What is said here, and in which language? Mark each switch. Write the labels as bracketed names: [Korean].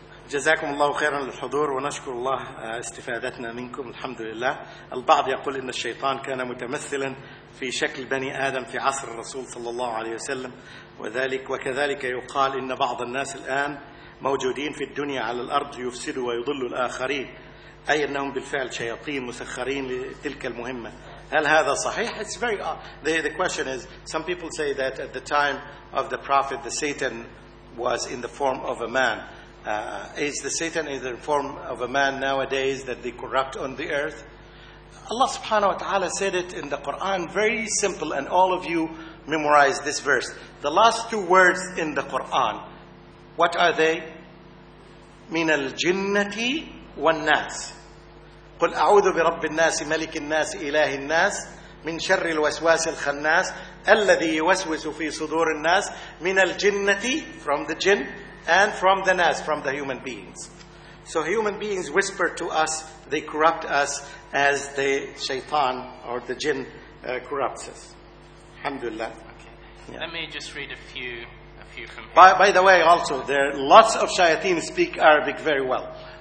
[Arabic] جزاكم الله خيرا للحضور ونشكر الله استفادتنا منكم الحمد لله البعض يقول إن الشيطان كان متمثلا في شكل بني آدم في عصر الرسول صلى الله عليه وسلم وذلك وكذلك يقال إن بعض الناس الآن موجودين في الدنيا على الأرض يفسدوا ويضلوا الآخرين أي أنهم بالفعل شياطين مسخرين لتلك المهمة هل هذا صحيح؟ [English] It's very the question is some people say that at the time of the prophet the Satan was in the form of a man. Is the Satan in the form of a man nowadays that they corrupt on the earth? Allah subhanahu wa ta'ala said it in the Quran, very simple, and all of you memorize this verse. The last two words in the Quran, what are they? [Arabic] من الجنة والناس. قل أعوذ برب الناس ملك الناس إله الناس من شر الوسواس الخناس الذي يوسوس في صدور الناس من الجنة [English] from the jinn and from the nas, from the human beings. So human beings whisper to us, they corrupt us as the shaitan or the jinn corrupts us. Alhamdulillah. Okay. Yeah. Let me just read a few from here. By the way, also, there are lots of shayateen speak Arabic very well.